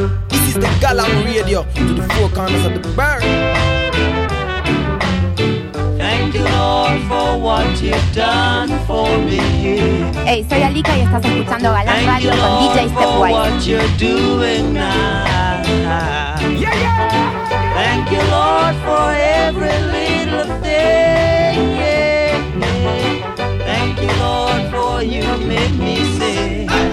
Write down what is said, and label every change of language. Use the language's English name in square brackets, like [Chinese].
[English] This is the Galang Radio to the four corners of the burn. Thank you Lord for what you've done for me. [Spanish] Hey, soy Alika y estás escuchando Galang Radio con DJ Stepwise. [English] Thank you Lord for what you're doing now. Yeah, yeah. Thank you Lord for every little thing. Yeah, yeah. Thank you Lord for you made me sing.